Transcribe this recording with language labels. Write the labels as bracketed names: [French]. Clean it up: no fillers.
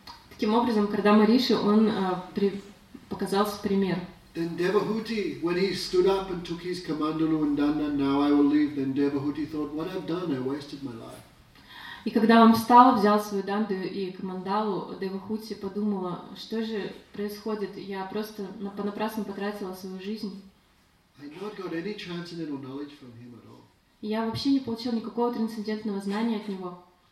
[Russian] Таким образом, Кардама Риши, он показал пример. [English] Then Devahuti, when he stood up and took his Kamandalu and Danda, now I will leave, then Devahuti thought, what I've done, I wasted my life. [Russian] И когда он встал, взял свою данду и командалу, Девахути подумала, что же происходит, я просто понапрасну потратила свою жизнь. Я вообще не получила никакого трансцендентного знания от него.